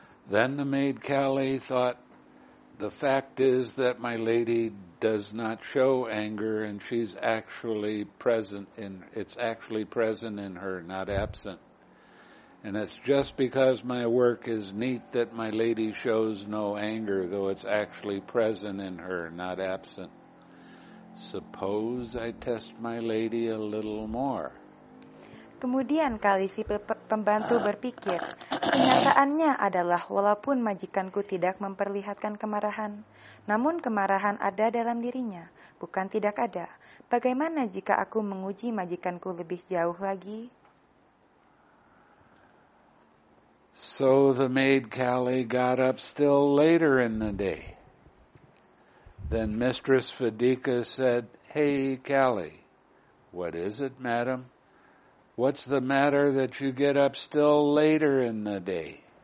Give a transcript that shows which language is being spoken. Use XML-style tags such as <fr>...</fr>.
<en>Then the maid Kali thought, "The fact is that my lady does not show anger, and she's actually present in, it's actually present in her, not absent. And it's just because my work is neat that my lady shows no anger, though it's actually present in her, not absent. Suppose I test my lady a little more."</en> <id>Kemudian Kali si pembantu berpikir, kenyataannya adalah walaupun majikanku tidak memperlihatkan kemarahan, namun kemarahan ada dalam dirinya, bukan tidak ada. Bagaimana jika aku menguji majikanku lebih jauh lagi?</id> <en>So the maid Kali got up still later in the day. Then Mistress Fadika said, "Hey, Kali, what is it, madam? What's the matter that you get up still later in the day?"</en>